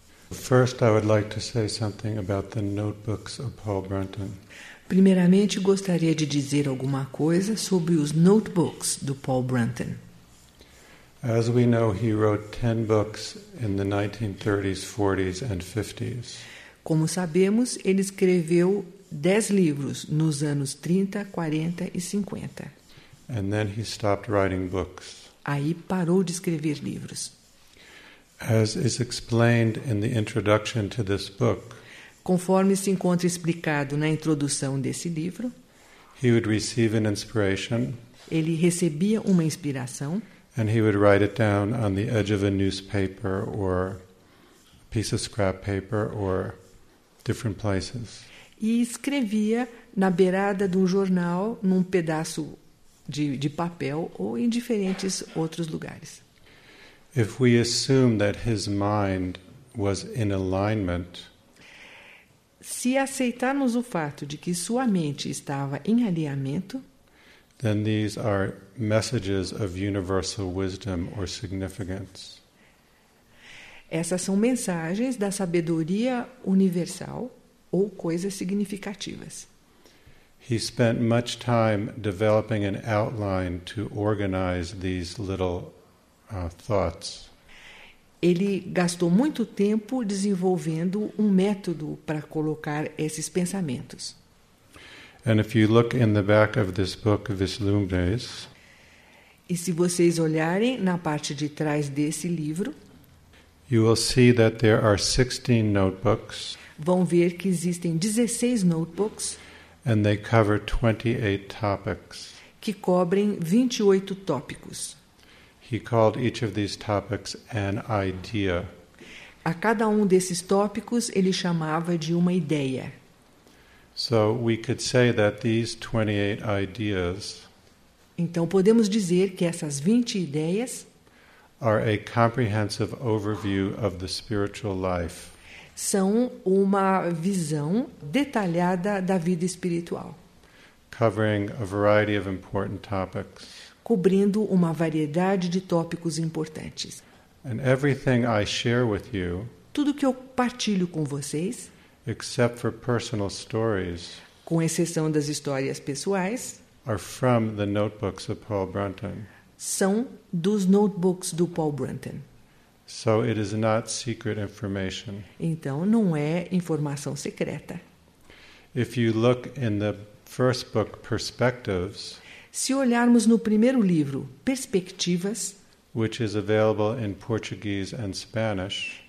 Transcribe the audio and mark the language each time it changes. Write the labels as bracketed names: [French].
[English] First, I would like to say something about the notebooks of Paul Brunton. [Portuguese] Primeiramente, gostaria de dizer alguma coisa sobre os notebooks do Paul Brunton. [English] As we know, he wrote 10 books in the 1930s, 40s and 50s. [Portuguese] Como sabemos, ele escreveu 10 livros nos anos 30, 40 e 50. [English] And then he stopped writing books. [Portuguese] Aí parou de escrever livros. [English] As is explained in the introduction to this book, [Portuguese] conforme se encontra explicado na introdução desse livro, [English] he would receive an inspiration, [Portuguese] ele recebia uma inspiração, [English] and he would write it down on the edge of a newspaper or a piece of scrap paper or different places. [Portuguese] E escrevia na beirada de um jornal, num pedaço de papel ou em diferentes outros lugares. [English] If we assume that his mind was in alignment, [Portuguese] se aceitarmos o fato de que sua mente estava em alinhamento, [English] then these are messages of universal wisdom or significance. [Portuguese] Essas são mensagens da sabedoria universal ou coisas significativas. [English] He spent much time developing an outline to organize these little thoughts. [Portuguese] Ele gastou muito tempo desenvolvendo um método para colocar esses pensamentos. [English] And if you look in the back of this book, Vislumbres, [Portuguese] e se vocês olharem na parte de trás desse livro, [English] you will see that there are 16 notebooks. [Portuguese] Vão ver que existem 16 notebooks. [English] And they cover 28 topics. [Portuguese] Que cobrem 28 tópicos. [English] He called each of these topics an idea. [Portuguese] A cada desses tópicos ele chamava de uma ideia. [English] So we could say that these 28 ideas, [Portuguese] então podemos dizer que essas 20 ideias, [English] are a comprehensive overview of the spiritual life. [Portuguese] São uma visão detalhada da vida espiritual. [English] Covering a variety of important topics. [Portuguese] Cobrindo uma variedade de tópicos importantes. [English] And everything I share with you, [Portuguese] tudo que eu partilho com vocês, [English] except for personal stories, [Portuguese] com exceção das histórias pessoais, [English] are from the notebooks of Paul Brunton. [Portuguese] São dos notebooks do Paul Brunton. [English] So it is not secret information. [Portuguese] Então não é informação secreta. [English] If you look in the first book, Perspectives, [Portuguese] se olharmos no primeiro livro, Perspectivas, [English] which is available in Portuguese and Spanish,